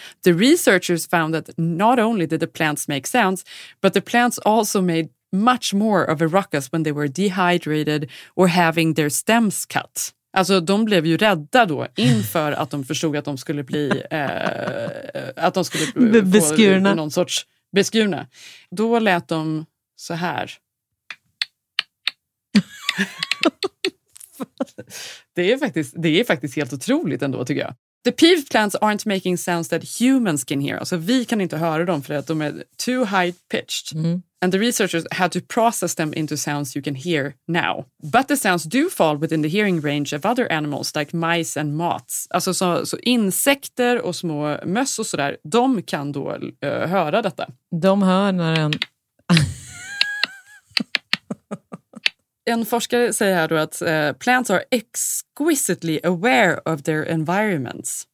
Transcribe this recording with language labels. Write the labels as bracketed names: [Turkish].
[English] The researchers found that not only did the plants make sounds, but the plants also made much more of a ruckus when they were dehydrated or having their stems cut. [Swedish] Alltså, de blev ju rädda då inför att de förstod att de skulle bli att de skulle beskurna. Få någon sorts beskurna. Då lät de så här. Det är faktiskt helt otroligt ändå, tycker jag. [English] The peeved plants aren't making sounds that humans can hear. [Swedish] Alltså vi kan inte höra dem för att de är [English] too high pitched. Mm. and the researchers had to process them into sounds you can hear now. But the sounds do fall within the hearing range of other animals, like mice and moths. [Swedish] Alltså så insekter och små möss och sådär, de kan då höra detta. De hör när en... En forskare säger här då att [English] plants are exquisitely aware of their environments.